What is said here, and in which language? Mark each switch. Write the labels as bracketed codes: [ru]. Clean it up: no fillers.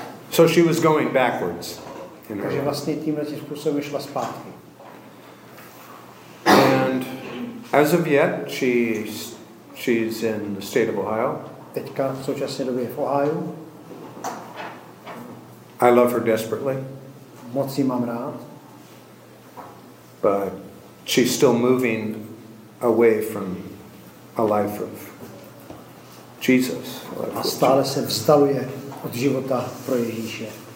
[en] So she was going backwards. [cs] Takže vlastně tímhle tím způsobem šla zpátky. [en] And as of yet, she's in the state of Ohio. [cs] Teďka v současné době je v Ohio. [en] I love her desperately. [cs] Moc jí mám rád. [en] But she's still moving away from a life of Jesus. [cs] A stále se vzdaluje od života pro Ježíše.